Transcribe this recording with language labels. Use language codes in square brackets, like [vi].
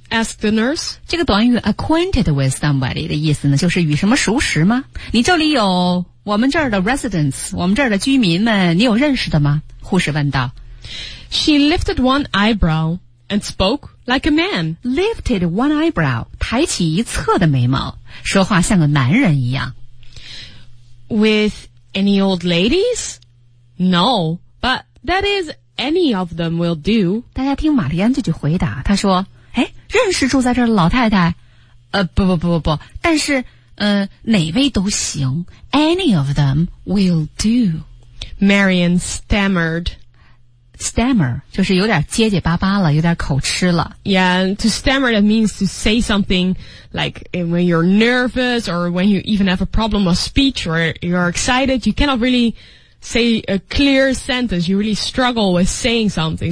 [en] Ask the nurse. [zh] 这个短语 [en] acquainted with somebody [zh] 的意思呢就是与什么熟识吗你这里有我们这儿的 residents, 我们这儿的居民们你有认识的吗护士问道。 [en] She lifted one eyebrow and spoke like a man. Lifted one eyebrow, [zh] 抬起一侧的眉毛说话像个男人一样。 [en] With any old ladies? No, but that is any of them will do. [zh] 大家听玛丽安这句回答她说认识住在这儿的老太太不不不不不但是哪位都行 [en] any of them will do. Marion stammer [zh] 就是有点结结巴巴了有点口吃了 [en] yeah to stammer that means to say something like when you're nervous or when you even have a problem of speech or you're excited you cannot reallySay a clear sentence, you really struggle with saying something.